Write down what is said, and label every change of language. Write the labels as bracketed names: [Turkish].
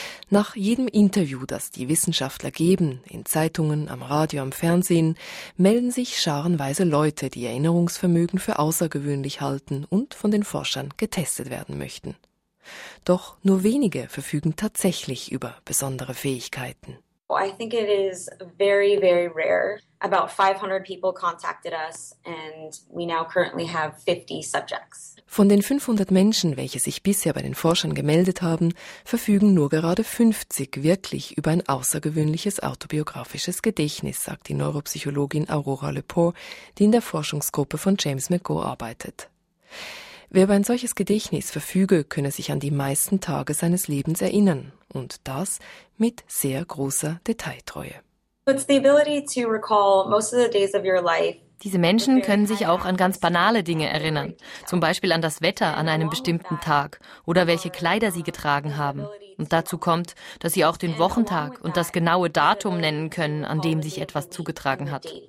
[German] Nach jedem Interview, das die Wissenschaftler geben, in Zeitungen, am Radio, am Fernsehen, melden sich scharenweise Leute, die Erinnerungsvermögen für außergewöhnlich halten und von den Forschern getestet werden möchten. Doch nur wenige verfügen tatsächlich über besondere Fähigkeiten. [English] I think it is very, very rare. About 500 people contacted us and we now currently have 50 subjects. [German] Von den 500 Menschen, welche sich bisher bei den Forschern gemeldet haben, verfügen nur gerade 50 wirklich über ein außergewöhnliches autobiografisches Gedächtnis, sagt die Neuropsychologin Aurora Lepore, die in der Forschungsgruppe von James McGaw arbeitet. Wer über ein solches Gedächtnis verfüge, könne sich an die meisten Tage seines Lebens erinnern. Und das mit sehr großer Detailtreue. [English] It's the ability to recall most of the days of your life. [German] Diese Menschen können sich auch an ganz banale Dinge erinnern, zum Beispiel an das Wetter an einem bestimmten Tag oder welche Kleider sie getragen haben. Und dazu kommt, dass sie auch den Wochentag und das genaue Datum nennen können, an dem sich etwas zugetragen hat.